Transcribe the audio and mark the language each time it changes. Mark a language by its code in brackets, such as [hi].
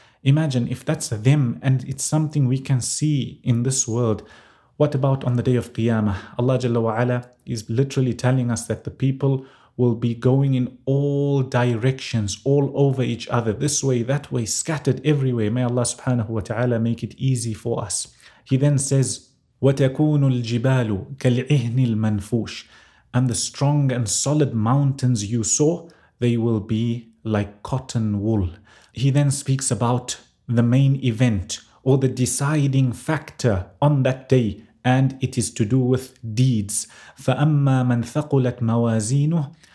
[en] Imagine if that's them and it's something we can see in this world. What about on the day of Qiyamah? Allah Jalla wa Ala is literally telling us that the people will be going in all directions, all over each other, this way, that way, scattered everywhere. May Allah subhanahu wa ta'ala make it easy for us. He then says, [ar] وَتَكُونُ الْجِبَالُ كَالْعِهْنِ الْمَنْفُوشِ. [en] And the strong and solid mountains you saw, they will be like cotton wool. He then speaks about the main event or the deciding factor on that day, and it is to do with deeds. [ar] فَأَمَّا مَنْ ثَقُلَتْ مَوَازِينُهُ.